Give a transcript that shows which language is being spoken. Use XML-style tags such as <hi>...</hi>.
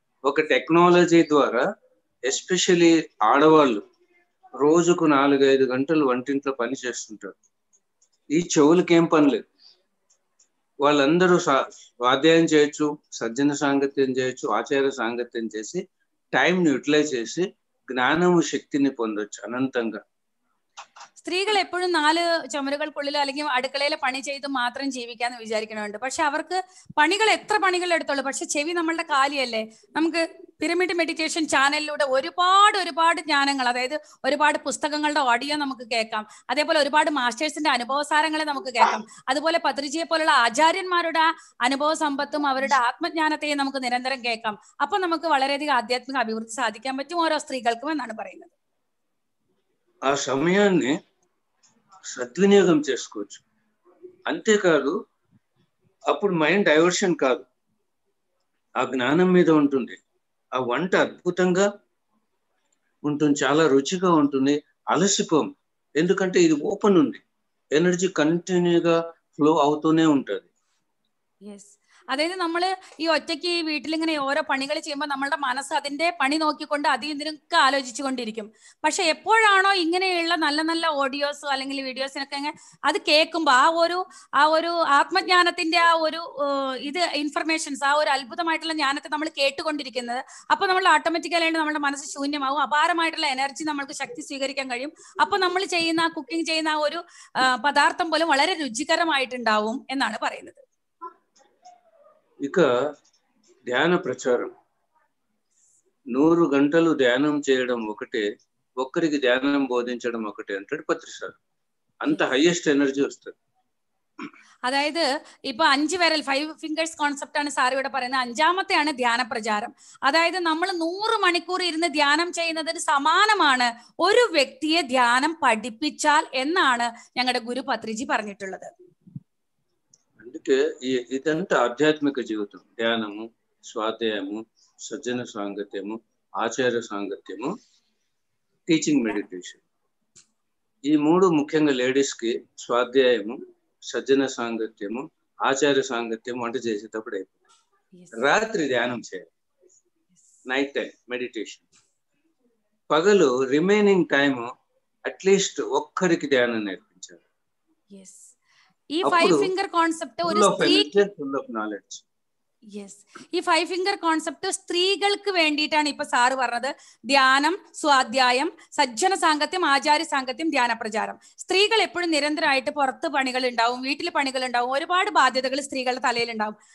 <te>ఒక టెక్నాలజీ ద్వారా ఎస్పెషలీ ఆడవాళ్ళు రోజుకు 4-5 గంటలు వంటింట్లో పని చేస్తుంటారు. ఈ చెవులకి ఏం పని లేదు. వాళ్ళందరూ స్వాధ్యాయం చేయొచ్చు, సజ్జన సాంగత్యం చేయొచ్చు, ఆచార సాంగత్యం చేసి టైంను యూటిలైజ్ చేసి జ్ఞానము శక్తిని పొందొచ్చు అనంతంగా.</te> <ml>സ്ത്രീകൾ എപ്പോഴും 4 ചുമരുകൾക്കുള്ളിലോ അല്ലെങ്കിൽ അടുക്കളയിലെ പണി ചെയ്ത് മാത്രം ജീവിക്കാന്ന് വിചാരിക്കണമുണ്ട്. പക്ഷെ അവർക്ക് പണികൾ എത്ര പണികൾ എടുത്തോളൂ, പക്ഷെ ചെവി നമ്മളുടെ കാലിയല്ലേ. നമുക്ക് പിരമിഡ് മെഡിറ്റേഷൻ ചാനലിലൂടെ ഒരുപാട് ഒരുപാട് ജ്ഞാനങ്ങൾ, അതായത് ഒരുപാട് പുസ്തകങ്ങളുടെ ഓഡിയോ നമുക്ക് കേൾക്കാം, അതേപോലെ ഒരുപാട് മാസ്റ്റേഴ്സിന്റെ അനുഭവസാരങ്ങളെ നമുക്ക് കേൾക്കാം, അതുപോലെ പത്രിജയെ പോലുള്ള ആചാര്യന്മാരുടെ അനുഭവ സമ്പത്തും അവരുടെ ആത്മജ്ഞാനത്തെയും നമുക്ക് നിരന്തരം കേൾക്കാം. അപ്പൊ നമുക്ക് വളരെയധികം ആധ്യാത്മിക അഭിവൃദ്ധി സാധിക്കാൻ പറ്റും ഓരോ സ്ത്രീകൾക്കും എന്നാണ് പറയുന്നത്.</ml> <te>ఆ సమయాన్ని సద్వినియోగం చేసుకోవచ్చు. అంతేకాదు అప్పుడు మైండ్ డైవర్షన్ కాదు, ఆ జ్ఞానం మీద ఉంటుంది. ఆ వంట అద్భుతంగా ఉంటుంది, చాలా రుచిగా ఉంటుంది. అలసిపోం, ఎందుకంటే ఇది ఓపెన్ ఉంది, ఎనర్జీ కంటిన్యూగా ఫ్లో అవుతూనే ఉంటుంది.</te> <ml>അതായത് നമ്മള് ഈ ഒറ്റയ്ക്ക് ഈ വീട്ടിൽ ഇങ്ങനെ ഓരോ പണികൾ ചെയ്യുമ്പോൾ നമ്മളുടെ മനസ്സ് അതിന്റെ പണി നോക്കിക്കൊണ്ട് അതിനൊക്കെ ആലോചിച്ചുകൊണ്ടിരിക്കും. പക്ഷെ എപ്പോഴാണോ ഇങ്ങനെയുള്ള നല്ല നല്ല ഓഡിയോസോ അല്ലെങ്കിൽ വീഡിയോസിനൊക്കെ ഇങ്ങനെ അത് കേൾക്കുമ്പോൾ ആ ഒരു ആത്മജ്ഞാനത്തിന്റെ ആ ഒരു ഇത് ഇൻഫർമേഷൻസ്, ആ ഒരു അത്ഭുതമായിട്ടുള്ള ജ്ഞാനത്തെ നമ്മൾ കേട്ടുകൊണ്ടിരിക്കുന്നത്, അപ്പൊ നമ്മൾ ഓട്ടോമാറ്റിക്കലായിട്ട് നമ്മുടെ മനസ്സ് ശൂന്യമാവും, അപാരമായിട്ടുള്ള എനർജി നമ്മൾക്ക് ശക്തി സ്വീകരിക്കാൻ കഴിയും. അപ്പൊ നമ്മൾ ചെയ്യുന്ന കുക്കിംഗ് ചെയ്യുന്ന ആ ഒരു പദാർത്ഥം പോലും വളരെ രുചികരമായിട്ടുണ്ടാവും എന്നാണ് പറയുന്നത്.</ml> <te>ఇక ధ్యాన ప్రచారం, 100 గంటలు ధ్యానం చేయడం ఒకటే, ఒక్కరికి ధ్యానం బోధించడం ఒకటే అంటాడు పత్రిసార్. అంత హైయెస్ట్ ఎనర్జీ వస్తుంది.</te> <ml>അതായത് ഇപ്പൊ 5 വിരൽ, 5 ഫിംഗേഴ്സ് കോൺസെപ്റ്റ് ആണ് സാർ ഇവിടെ പറയുന്നത്. 5-ാമത്തെയാണ് ധ്യാന പ്രചാരം. അതായത് നമ്മൾ 100 മണിക്കൂർ ഇരുന്ന് ധ്യാനം ചെയ്യുന്നതിന് സമാനമാണ് ഒരു വ്യക്തിയെ ധ്യാനം പഠിപ്പിച്ചാൽ എന്നാണ് ഞങ്ങളുടെ ഗുരു പത്രിജി പറഞ്ഞിട്ടുള്ളത്.</ml> <te>ఇదంతా ఆధ్యాత్మిక జీవితం, ధ్యానము, స్వాధ్యాయము, సజ్జన సాంగత్యము, ఆచార్య సాంగత్యము,</te> <en>Teaching meditation.</en> <te>ఈ 3 ముఖ్యంగా లేడీస్ కి స్వాధ్యాయము, సజ్జన సాంగత్యము, ఆచార్య సాంగత్యము వంట చేసేటప్పుడు అయిపోయింది. రాత్రి ధ్యానం చేయాలి,</te> <en>Night time meditation.</en> <te>పగలు రిమైనింగ్ టైమ్ అట్లీస్ట్ ఒక్కరికి ధ్యానం నేర్పించాలి. ఈ 5 ఫింగర్ కాన్సెప్ట్ ఒక స్త్రీ నాలెడ్జ్.</te> <ml>യെസ്, ഈ 5 ഫിംഗർ കോൺസെപ്റ്റ് സ്ത്രീകൾക്ക് വേണ്ടിയിട്ടാണ് ഇപ്പൊ സാറ് പറഞ്ഞത്. ധ്യാനം, സ്വാധ്യായം, സജ്ജന സാങ്കത്യം, ആചാര്യ സാങ്കത്യം, ധ്യാന പ്രചാരം. സ്ത്രീകൾ എപ്പോഴും നിരന്തരമായിട്ട് പുറത്ത് പണികൾ ഉണ്ടാവും, വീട്ടിൽ പണികൾ ഉണ്ടാവും, ഒരുപാട് ബാധ്യതകൾ സ്ത്രീകളുടെ തലയിൽ ഉണ്ടാവും.</ml>